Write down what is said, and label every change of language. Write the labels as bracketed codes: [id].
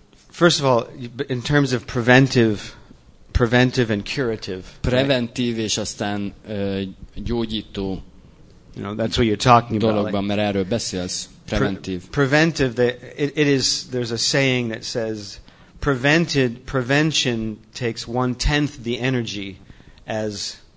[en] First of all, in terms of preventive and curative. [hu] Preventív és aztán gyógyító. [en] You know, that's what you're talking about. [hu] Dologban, mert erről beszélsz, preventive. [en] Preventive, there's a saying that says prevention takes one tenth the energy as